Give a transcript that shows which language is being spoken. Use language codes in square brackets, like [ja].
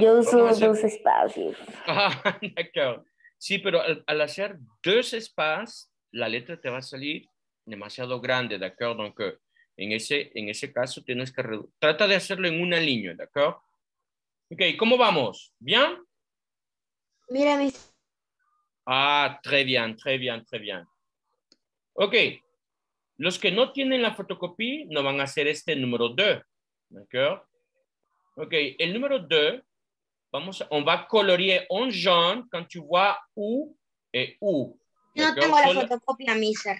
[es] Yo uso dos espacios. [fr] Ah, d'accord. [es] Sí, pero al hacer dos espacios, la letra te va a salir demasiado grande, ¿d'accord? Entonces, en ese caso, tienes que trata de hacerlo en una línea, ¿d'accord? Ok, ¿cómo vamos? ¿Bien? Mira, mis... [fr] Ah, très bien, très bien, très bien. [es] Ok, los que no tienen la fotocopia no van a hacer este número 2, ¿d'accord? [fr] Ok, [es] el número 2, [fr] on va colorier en jaune quand tu vois U et U. [es] No tengo la fotocopia, mister.